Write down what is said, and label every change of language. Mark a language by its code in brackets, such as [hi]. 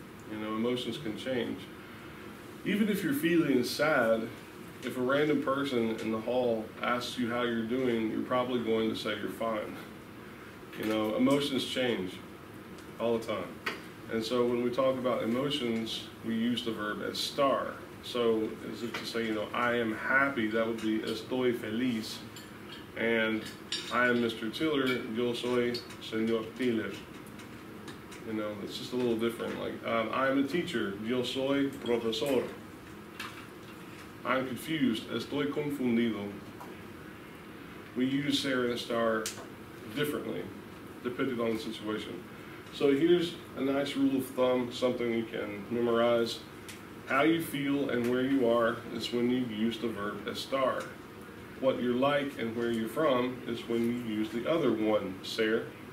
[en] You know, emotions can change. Even if you're feeling sad, if a random person in the hall asks you how you're doing, you're probably going to say you're fine. You know, emotions change all the time. And so when we talk about emotions, we use the verb estar. So as if to say, you know, I am happy, that would be [es] estoy feliz. [en] And I am Mr. [es] Tiller, yo soy señor Tiller. [en] You know, it's just a little different. Like, I am a teacher, [es] yo soy profesor. [en] I'm confused, [es] estoy confundido. [en] We use ser and estar differently, depending on the situation. So here's a nice rule of thumb, something you can memorize. How you feel and where you are is when you use the verb estar. What you're like and where you're from is when you use the other one, ser.